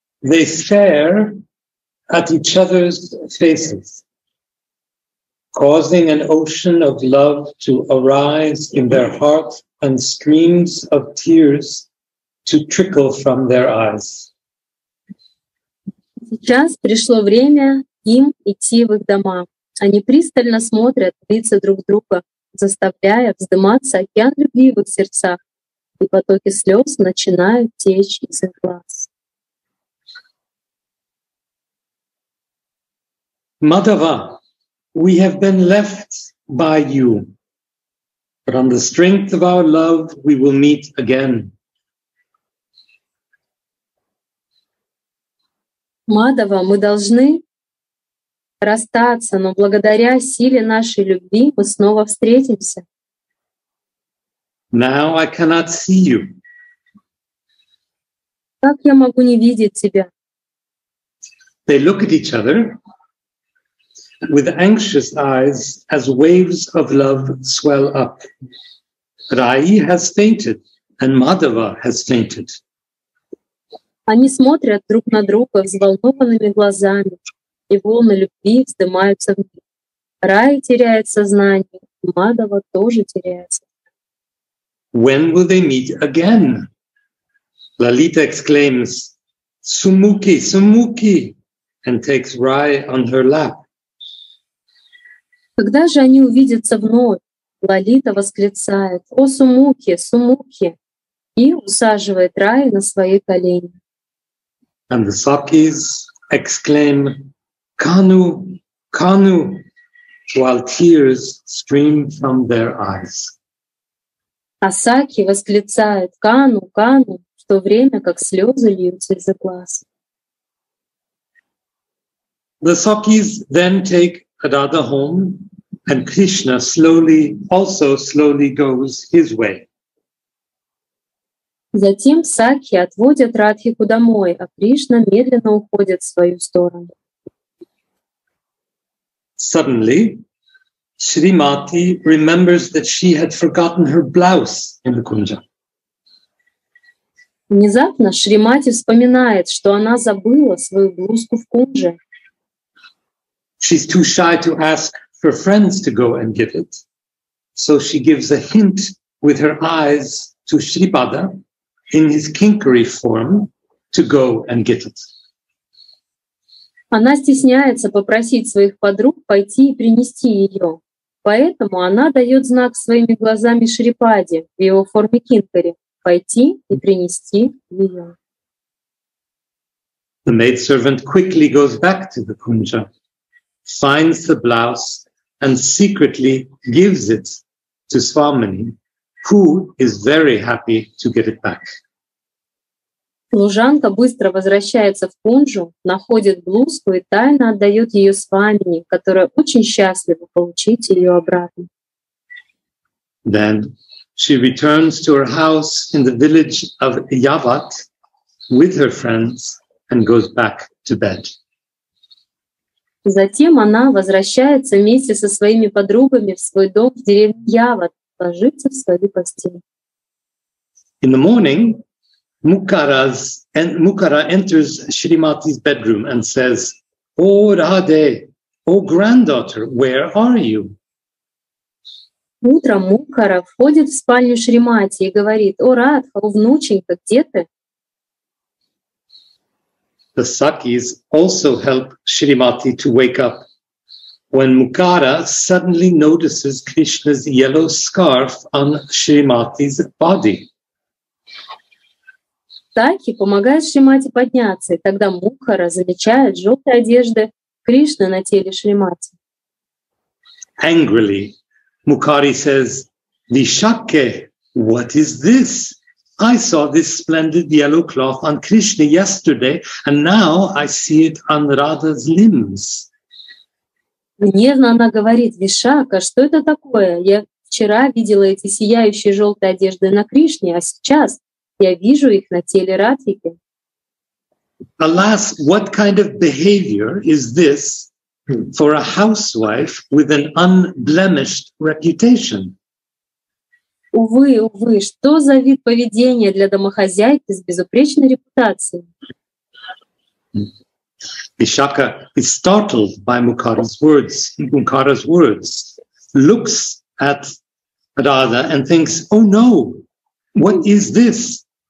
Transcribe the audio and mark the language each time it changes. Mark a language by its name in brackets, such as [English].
[English] They stare at each other's faces, causing an ocean of love to arise in their hearts and streams of tears to trickle from their eyes. [Russian] Сейчас пришло время им идти в их дома. Они пристально смотрят в лица друг друга, заставляя вздыматься океан любви в их сердцах, и потоки слез начинают течь из их глаз. [English] Madhava, we have been left by you, but on the strength of our love we will meet again. [Russian] Мадава, мы должны расстаться, но благодаря силе нашей любви мы снова встретимся. [English] Now I cannot see you. [Russian] Как я могу не видеть тебя? [English] They look at each other with anxious eyes as waves of love swell up. Rai has fainted, and Madhava has fainted. [Russian] Они смотрят друг на друга взволнованными глазами, и волны любви вздымаются в них. Рай теряет сознание, и Мадхава тоже теряется. [English] When will they meet again? Lalita exclaims, Sumukhi, Sumukhi, and takes Rai on her lap. [Russian] Когда же они увидятся вновь? Лалита восклицает, О, Сумукхи, Сумукхи, и усаживает Рай на свои колени. [English] And the Sakis exclaim, Kanu, Kanu, while tears stream from their eyes. [Russian] А Саки восклицает, Кану, Кану, в то время, как слезы льются из глаз. [English] The Sakis then take Radha home, and Krishna slowly, also slowly goes his way. [Russian] Затем Сакхи отводят Радхику домой, а Кришна медленно уходит в свою сторону. [English] Suddenly, Shrimati remembers that she had forgotten her blouse in the kunja. [Russian] Внезапно Шримати вспоминает, что она забыла свою блузку в кунже. [English] She's too shy to ask for friends to go and get it. So she gives a hint with her eyes to Shripada in his kinkari form to go and get it. [Russian] Она стесняется попросить своих подруг пойти и принести ее. Поэтому она дает знак своими глазами Шрипаде в его форме кинкари пойти и принести ее. [English] The maidservant quickly goes back to the kunja, finds the blouse and secretly gives it to Swamini, who is very happy to get it back. [Russian] Служанка быстро возвращается в кунджу, находит блузку и тайно отдает ее Свамини, которая очень счастлива получить ее обратно. [English] Then she returns to her house in the village of Yavat with her friends and goes back to bed. [Russian] Затем она возвращается вместе со своими подругами в свой дом в деревне Яват, ложится в свою постель. [English] In the morning, Mukara enters Shrimati's bedroom and says, "O Radhe, O granddaughter, where are you?" [Russian] Утром Мукара входит в спальню Шримати и говорит: "О Радха, о внученька, где ты?" [English] The Sakis also help Shrimati to wake up when Mukara suddenly notices Krishna's yellow scarf on Shrimati's body. [Russian] Таки помогает Шримати подняться, и тогда Мукхара замечает желтые одежды Кришны на теле Шримати. [English] Angrily, Mukari says, "Vishakhe, what is this? I saw this splendid yellow cloth on Krishna yesterday, and now I see it on Radha's limbs." [Russian] Гневно она говорит: "Вишака, что это такое? Я вчера видела эти сияющие желтые одежды на Кришне, а сейчас я вижу их на теле Радхики." [English] Alas, what kind of behavior is this for a housewife with an unblemished reputation? [Russian] Увы, увы, что за вид поведения для домохозяйки с безупречной репутацией? [English] Vishakha is startled by Mukara's words, looks at Radha and thinks, "Oh no, what is this?